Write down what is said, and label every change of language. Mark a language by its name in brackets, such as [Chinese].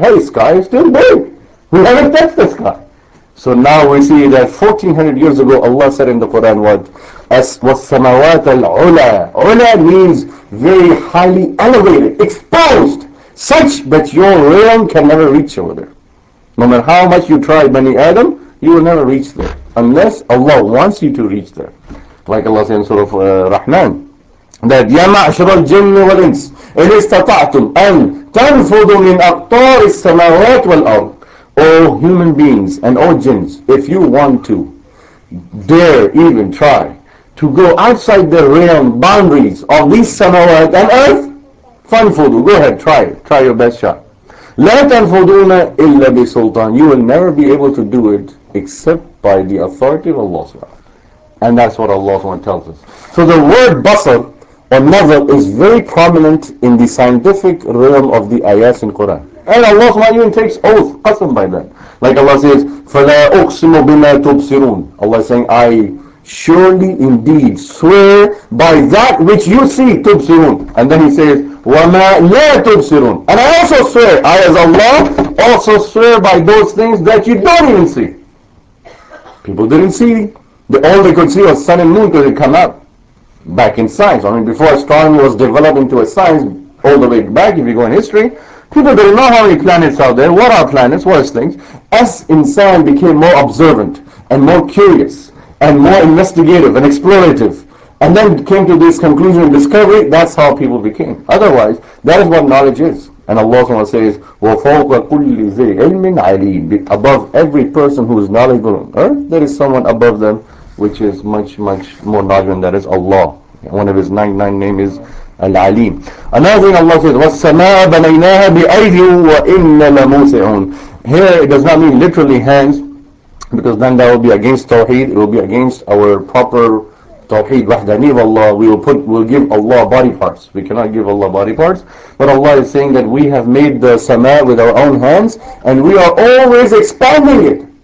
[English] Hey, sky is still big. We haven't touched the sky. So now we see that 1400 years ago, Allah said in the Quran, what? As-samawat al-ula. Ula means very highly elevated, exposed. Such that your realm can never reach over there. No matter how much you try, Bani Adam, you will never reach there. Unless Allah wants you to reach there. Like Allah said in Surah Rahman, that [Arabic] يَا مَعْشَرَ الْجِنِّ وَالْإِنْسِ إِنِ اسْتَطَعْتُمْ أَنْ تَنْفُضُ مِنْ أَقْطَارِ السَّمَاوَاتِ وَالْأَرْضِ. [English] O human beings and O jinns, if you want to dare even try to go outside the realm boundaries of these samawat and earth, فَنْفُضُ, go ahead, try it, try your best shot. [Arabic] لَا تَنْفُضُونَ إِلَّا بِسُلْطَانِ. [English] You will never be able to do it except by the authority of Allah SWT. And that's what Allah SWT tells us. So the word basar or nazar is very prominent in the scientific realm of the ayahs in Quran. And Allah SWT even takes oath, qasam by that. Like Allah says, [Arabic] فَلَا أُقْسِمُ بِمَا تُبْصِرُونَ. [English] Allah is saying, I surely indeed swear by that which you see, تُبْصِرُونَ. And then He says, [Arabic] وَمَا لَا تُبْصِرُونَ. [English] And I also swear, I as Allah, also swear by those things that you don't even see. People didn't see. All they could see was sun and moon because they come up back in science. I mean, before astronomy was developed into a science, all the way back, if you go in history, people didn't know how many planets are there, what are planets, what are things. As insan became more observant and more curious and more investigative and explorative, and then came to this conclusion and discovery, that's how people became. Otherwise, that is what knowledge is. And Allah SWT says, [Arabic] وَفَوْقَ كُلِّ ذِي عِلْمٍ عَلِيمٍ. [English] Above every person who is knowledgeable on earth, there is someone above them which is much, much more knowledgeable, that is Allah. One of His 99 names is Al-Alim. Another thing Allah says, [Arabic] وَالسَّمَاءَ بَنَيْنَاهَا بِأَيْدٍ وَإِنَّ لَمُوسِعُونَ. [English] Here it does not mean literally hands, because then that will be against Tawheed, it will be against our proper Tawheed, wahdani of Allah. We'll give Allah body parts. We cannot give Allah body parts. But Allah is saying that we have made the sama with our own hands, and we are always expanding it.